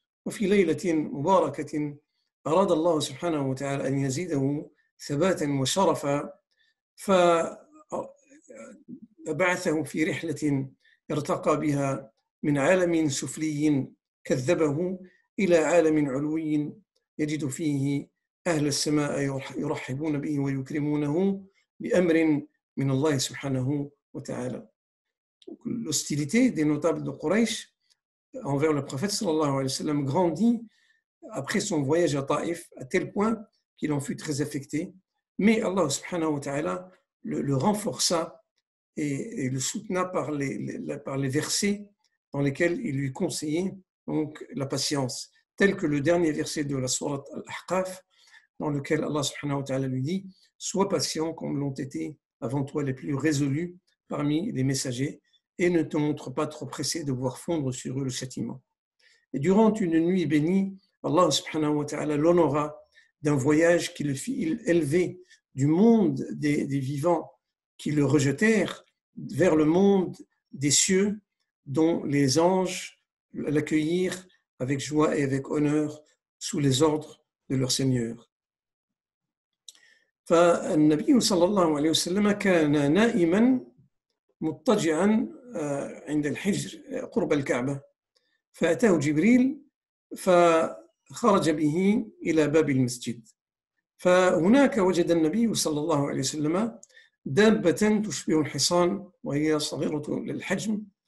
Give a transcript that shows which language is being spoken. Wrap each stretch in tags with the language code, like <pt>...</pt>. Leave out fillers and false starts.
<ar>وفي ليلة مباركة أراد الله سبحانه وتعالى أن يزيده ثباتا وشرفا، فبعثه في رحلة ارتقى بها من عالم سفلي كذبه إلى عالم علوي يجد فيه أهل السماء يرحبون به ويكرمونه بأمر من الله سبحانه وتعالى.</ar> <fr>L'hostilité des notables de Quraysh envers le prophète sallallahu alayhi wa sallam grandit après son voyage à Taif, à tel point qu'il en fut très affecté, mais Allah subhanahu wa ta'ala le renforça et le soutena par les versets dans lesquels il lui conseillait donc la patience, tel que le dernier verset de la sourate Al-Ahqaf, dans lequel Allah subhanahu wa ta'ala lui dit: sois patient comme l'ont été avant toi les plus résolus parmi les messagers, et ne te montre pas trop pressé de voir fondre sur eux le châtiment. Et durant une nuit bénie, Allah subhanahu wa ta'ala l'honora d'un voyage qui le fit élever du monde des vivants qui le rejetèrent vers le monde des cieux, dont les anges l'accueillirent avec joie et avec honneur sous les ordres de leur Seigneur.</fr> <ar>فالنبي صلى الله عليه وسلم كان نائما مضطجعا عند الحجر قرب الكعبة، فأتاه جبريل فخرج به إلى باب المسجد، فهناك وجد النبي صلى الله عليه وسلم دابة تشبه الحصان وهي صغيرة للحجم،</ar>